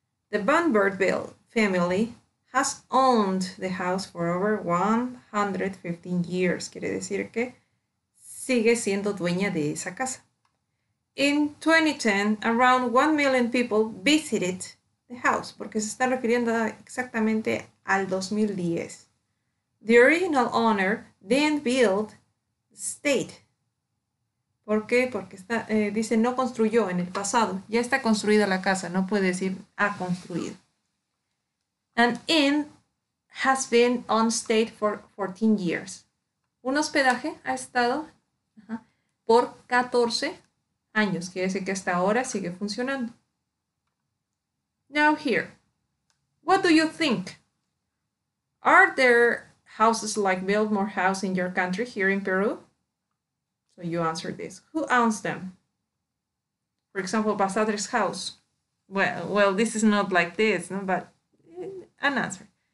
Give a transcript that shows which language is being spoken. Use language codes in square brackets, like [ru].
[en] The Bunbury family has owned the house for over 115 years. [es] Quiere decir que sigue siendo dueña de esa casa. [en] In 2010, around 1 million people visited the house, [es] porque se está refiriendo exactamente al 2010. [en] The original owner didn't build the state. [es] ¿Por qué? Porque está, dice no construyó en el pasado. Ya está construida la casa, no puede decir ha construido. [en] An inn has been on state for 14 years. [es] Un hospedaje ha estado por 14 años, quiere decir que hasta ahora sigue funcionando. [en] Now here, what do you think? Are there houses like Biltmore House in your country here in Peru? So you answer this. Who owns them? For example, Basadre's house. Well, this is not like this, no? But an answer.